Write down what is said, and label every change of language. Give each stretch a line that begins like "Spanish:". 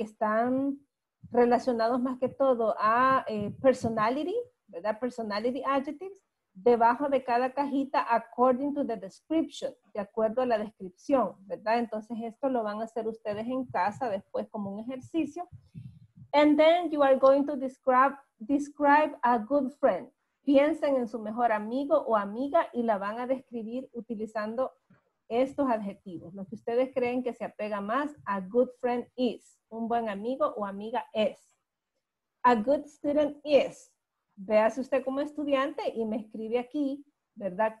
Spanish: Que están relacionados más que todo a personality, ¿verdad?
English: Personality adjectives,
Spanish: debajo de cada cajita
English: according to the description,
Spanish: de acuerdo a la descripción, ¿verdad? Entonces esto lo van a hacer ustedes en casa después como un ejercicio.
English: And then you are going to describe a good friend.
Spanish: Piensen en su mejor amigo o amiga y la van a describir utilizando estos adjetivos. Lo que ustedes creen que se apega más,
English: a good friend is,
Spanish: un buen amigo o amiga es.
English: A good student is,
Spanish: véase usted como estudiante y me escribe aquí, ¿verdad?